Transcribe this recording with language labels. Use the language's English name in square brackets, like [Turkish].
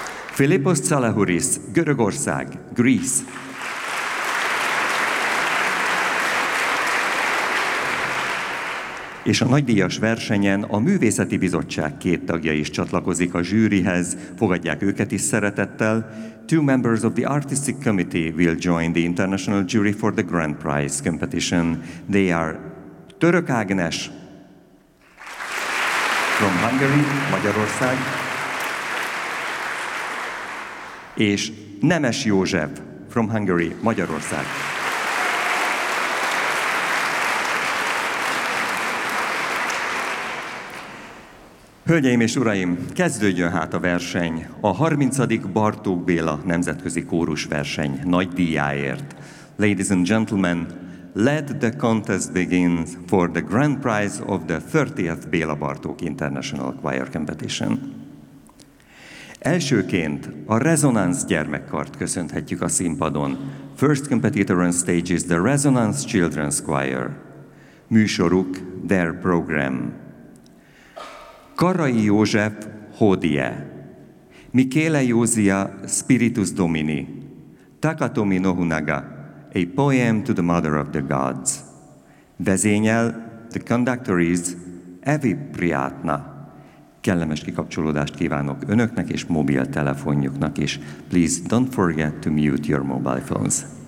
[Hungarian] Filippos Zalahuris, Görögország, Greece. És a nagydíjas versenyen a Művészeti Bizottság 2 tagja is csatlakozik a zsűrihez, fogadják őket is szeretettel. [English] 2 members of the Artistic Committee will join the International Jury for the Grand Prize Competition. They are Török Ágnes from Hungary, Magyarország, és Nemes József from Hungary, Magyarország. [Hungarian] Hölgyeim és uraim, kezdődjön hát a verseny a 30. Bartók Béla Nemzetközi Kórusverseny nagydíjáért. [English] Ladies and gentlemen, Let the contest begin for the grand prize of the 30th Béla Bartók International Choir Competition. [Hungarian] Elsőként a Resonance gyermekkart köszönhetjük a színpadon. [English] First competitor on stage is the Resonance Children's Choir. [Hungarian] Műsoruk, [English] their program. [Hungarian] Karai József, Hodie. [English] Michele Józia, Spiritus Domini. Takatomi Nohunaga, A Poem to the Mother of the Gods. Vezényel, the conductor is Evi Priatna. [Hungarian] Kellemes kikapcsolódást kívánok önöknek és mobiltelefonjuknak is. [English] Please don't forget to mute your mobile phones.